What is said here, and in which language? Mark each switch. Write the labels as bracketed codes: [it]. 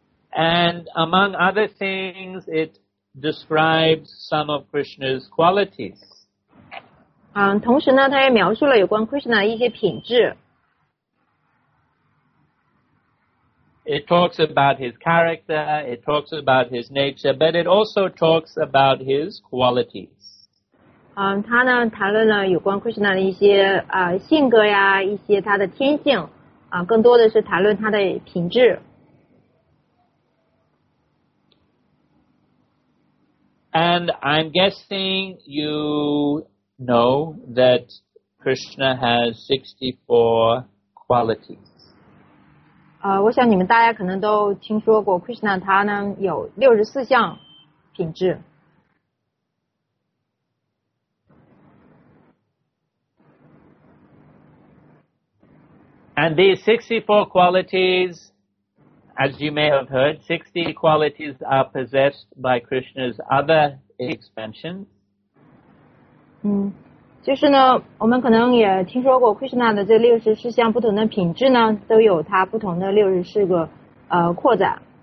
[en] And among other things, it describes some of Krishna's qualities. [zh] 同时呢他也描述了有关 Krishna 的一些品质。 [en] It talks about his character, it talks about his nature, but it also talks about his qualities. [zh] 他呢谈论了有关 Krishna 的一些性格呀，一些他的天性，更多的是谈论他的品质。 [en] And I'm guessing you know that Krishna has 64 qualities. [zh] 我想你们大家可能都听说过 Krishna 他呢有64项品质。 [en] And these 64 qualities, as you may have heard, 60 qualities are possessed by Krishna's other expansions. [zh] 就是呢我们可能也听说过 Krishna 的这64项不同的品质呢都有它不同的64个扩展。